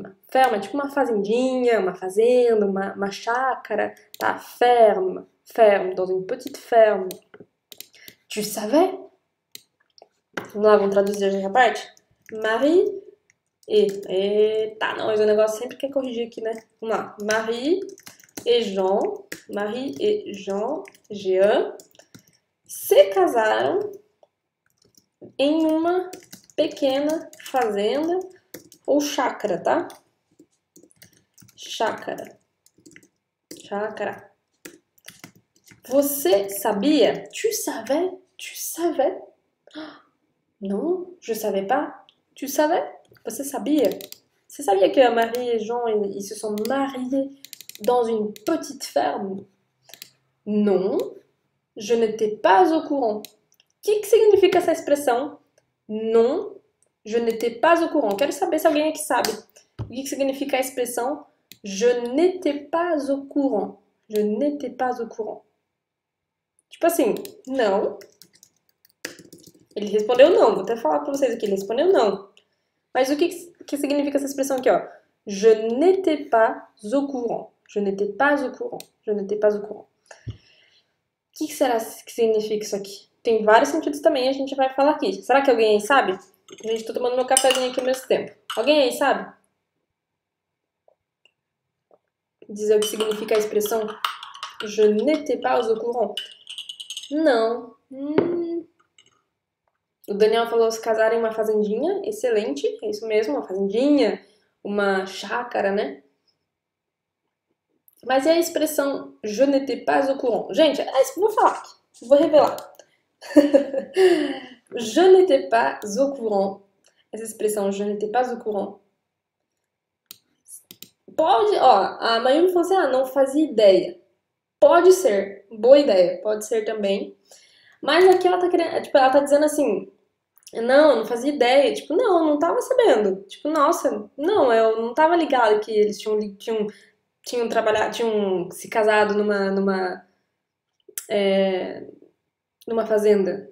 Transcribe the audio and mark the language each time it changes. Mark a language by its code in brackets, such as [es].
[pt] Ferme é tipo uma fazendinha, uma fazenda, uma chácara, tá? [fr] Ferme, dans une petite ferme. Tu savais? [pt] Vamos lá, vamos traduzir a parte? Marie. Eita, não, mas o negócio sempre quer corrigir aqui, né? Vamos lá. Marie e Jean, Jean, se casaram em uma pequena fazenda ou chácara, tá? Chácara. Chácara. Você sabia? [fr] Tu savais? Tu savais? Non, je savais pas. Tu savais? [pt] Você sabia? Você sabia que [fr] Marie et Jean, ils se sont mariés dans une petite ferme? Non, je n'étais pas au courant. Qu'est-ce que [pt] significa essa expressão? [fr] Non, je n'étais pas au courant. [pt] Quero saber se alguém aqui sabe. O que significa a expressão [fr] je n'étais pas au courant? Je n'étais pas au courant. [pt] Tipo assim, não. Ele respondeu não. Vou até falar para vocês aqui. Ele respondeu não. Mas o que significa essa expressão aqui, ó? [fr] Je n'étais pas au courant. Je n'étais pas au courant. Je n'étais pas au courant. [pt] Que será que significa isso aqui? Tem vários sentidos também, a gente vai falar aqui. Será que alguém aí sabe? Gente, tô tomando meu cafezinho aqui ao mesmo tempo. Alguém aí sabe? Dizer o que significa a expressão [fr] je n'étais pas au courant. [pt] Não. O Daniel falou se casar em uma fazendinha. Excelente, é isso mesmo, uma fazendinha, uma chácara, né? Mas e a expressão [fr] je n'étais pas au courant? [pt] Gente, vou falar aqui, vou revelar. [fr] Je n'étais pas au courant. [pt] Essa expressão [fr] je n'étais pas au courant. [pt] Pode, ó, a Mayumi falou assim, ah, não fazia ideia. Pode ser, boa ideia, pode ser também. Mas aqui ela tá querendo, tipo, ela tá dizendo assim, não, não fazia ideia. Tipo, não, não tava sabendo. Tipo, nossa, não, eu não tava ligado que eles tinham trabalhado, tinham se casado numa fazenda.